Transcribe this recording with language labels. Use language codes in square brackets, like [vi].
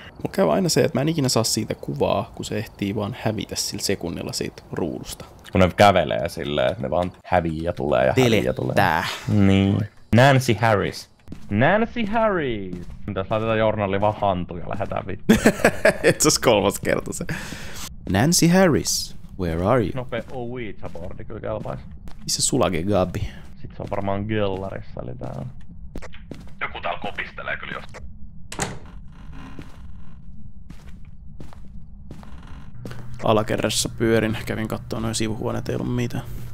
[fi] Mulla käy aina se, että mä en ikinä saa siitä kuvaa, kun se ehtii vaan hävitä sillä sekunnilla siitä ruudusta. Kun ne kävelee silleen, että ne vaan hävii ja tulee ja hävii ja tulee. Tää. Niin. Nancy Harris. Nancy Harris! Mitäs laitetaan journali vaan hantu ja lähdetään vittuun. Et se olisi kolmas kerta se. [en] Nancy Harris, where are you? [fi] Nopee Ouija boardi kyllä kelpais. Missä sulake Gabi? Sit se on varmaan gellarissa, eli tää on. Joku täällä kopistelee kyllä jostain. Alakerrassa pyörin, kävin kattoo noin sivuhuoneet, ei ollut mitään.